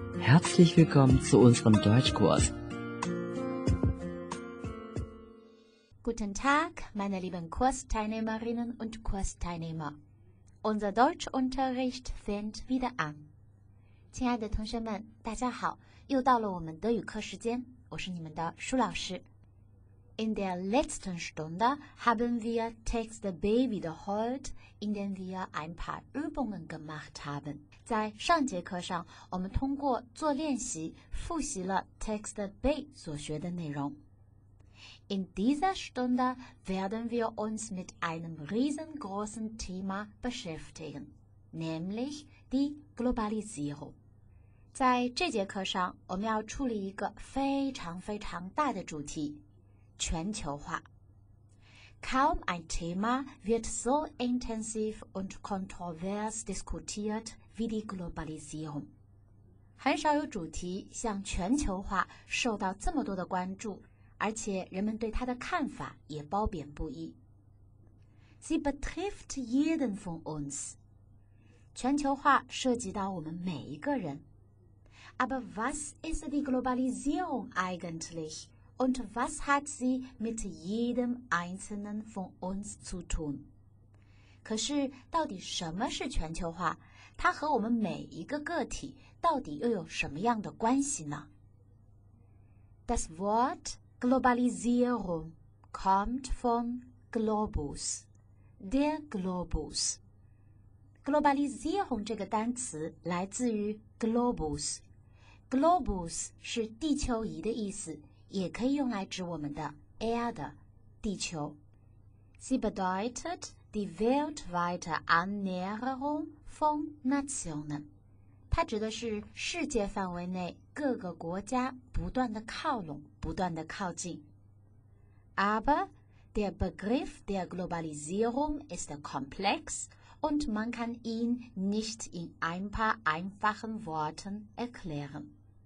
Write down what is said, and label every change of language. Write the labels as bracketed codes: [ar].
[de] Herzlich willkommen zu unserem Deutschkurs. Guten Tag, meine lieben Kursteilnehmerinnen und Kursteilnehmer. Unser Deutschunterricht fängt wieder an. [zh] 亲爱的同学们，大家好，又到了我们德语课时间，我是你们的舒老师。 [de] In der letzten Stunde haben wir Text B wiederholt, in dem wir ein paar Übungen gemacht haben. [zh] 在上节课上，我们通过做练习复习了 Text B 所学的内容。 [de] In dieser Stunde werden wir uns mit einem riesengroßen Thema beschäftigen, nämlich die Globalisierung. [zh] 在这节课上，我们要处理一个非常非常大的主题。全球化。 [de] Kaum ein Thema wird so intensiv und kontrovers diskutiert wie die Globalisierung. [zh] 很少有主题像全球化受到这么多的关注，而且人们对它的看法也褒贬不一。 [de] Sie betrifft jeden von uns. [zh] 全球化涉及到我们每一个人。 [de] Aber was ist die Globalisierung eigentlich? Und was hat sie mit jedem Einzelnen von uns zu tun? [zh] 可是到底什么是全球化？它和我们每一个个体到底又有什么样的关系呢？ [de] Das Wort Globalisierung kommt von Globus, der Globus. [zh] Globalisierung 这个单词来自于 Globus. Globus 是地球仪的意思。也可以用来指我们的 Erde, 地球。 [de] Sie bedeutet die weltweite Annäherung von Nationen. [zh] 它指的是世界范围内各个国家不断的靠拢，不断的靠近。 [de] Aber der Begriff der Globalisierung ist komplex und man kann ihn nicht in ein paar einfachen Worten erklären.